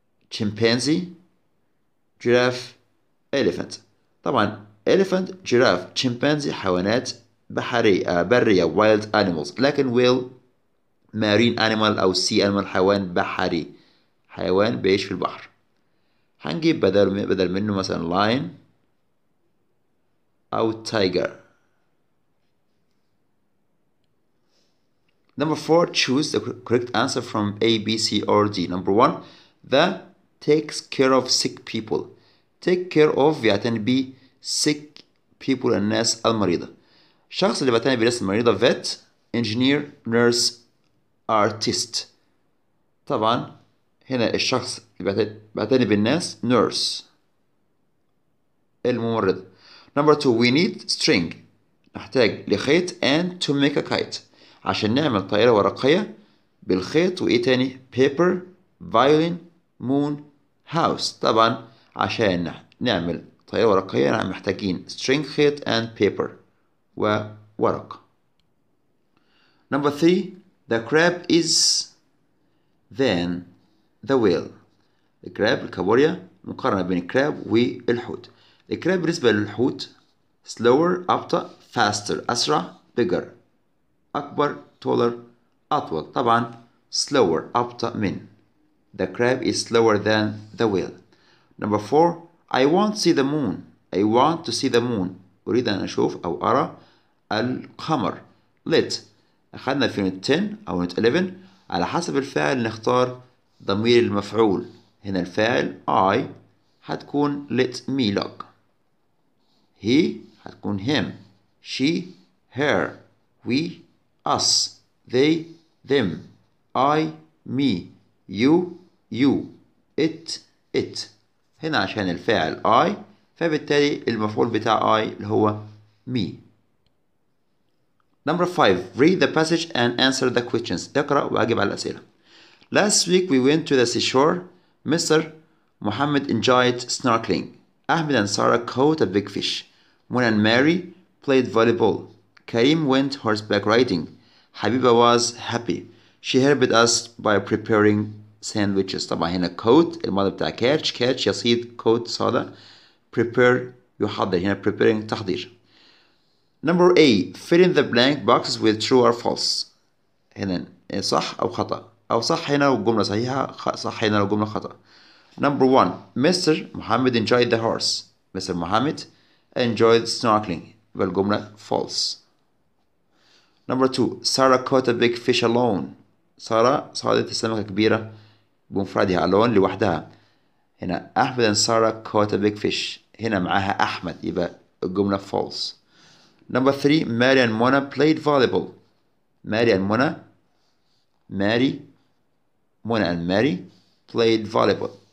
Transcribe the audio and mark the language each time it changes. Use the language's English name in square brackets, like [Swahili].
[English] chimpanzee giraffe elephant طبعا elephant giraffe chimpanzee [Arabic] حيوانات برية [English] wild animals لكن whale marine animal أو sea animal [Arabic] حيوان بحري حيوان بيعيش في البحر. هنجيب بدل منه مثلا لاين او تايجر. [English] Number four, choose the correct answer from A, B, C, or D. Number one, the takes care of sick people. Take care of [Arabic] يعتني بي [English] sick people, [Arabic] الناس المريضة. الشخص اللي بيعتني بالناس المريضة [English] vet, engineer, nurse, artist. [Arabic] طبعا هنا الشخص اللي بيعتني بالناس nurse, الممرض. [English] Number two, we need string. [Arabic] نحتاج لخيط [English] and to make a kite. [Arabic] عشان نعمل طائرة ورقية بالخيط. وإيه تاني؟ [English] paper, violin, moon, house. [Arabic] طبعا عشان نعمل طائرة ورقية نحن محتاجين string, خيط and paper وورق. [English] Number three, the crab is then the whale. [Arabic] الكراب الكابوريا مقارنة بين الكراب والحوت. الكراب بالنسبة للحوت slower, أبطأ, faster, أسرع, bigger, أكبر, taller, أطول. طبعا slower, أبطأ من. [English] The crab is slower than the whale. Number four, I want to see the moon. I want to see the moon. [Arabic] أريد أن أشوف أو أرى القمر. [English] Let. [Arabic] أخذنا في unit 10 أو unit 11. على حسب الفعل نختار ضمير المفعول. [English] هنا الفعل I هتكون let me look. He هتكون him. She, her. We, us. They, them. I, me. You, you. [Arabic] It, it. هنا عشان الفعل I فبالتالي المفعول بتاع I اللي هو me. [English] Number five. Read the passage and answer the questions. [Arabic] اقرأ واجب على الأسئلة. [English] Last week we went to the seashore. Mr. Muhammad enjoyed snorkeling. Ahmed and Sarah caught a big fish. Mona and Mary played volleyball. Karim went horseback riding. Habiba was happy. She helped us by preparing sandwiches. [Arabic] طبعا هنا coat المادة بتاع catch يصيد, coat صادة, prepare يحضر, هنا preparing تحضير. [English] Number A, fill in the blank boxes with true or false. [Arabic] هنا صح أو خطأ, أو صح هنا والجملة صحيحة, صح هنا والجملة خطأ. [English] Number one, Mr. Muhammad enjoyed the horse. Mr. Muhammad enjoyed snorkeling. [Arabic] والجملة false. [English] Number two, Sarah caught a big fish alone. [Arabic] Sarah صادت السمكة كبيرة بمفردها, alone لوحدها. [English] هنا أحمد and Sarah caught a big fish. [Arabic] هنا معها أحمد, يبقى الجملة false. [English] Number three, Mary and Mona played volleyball. Mona and Mary played volleyball.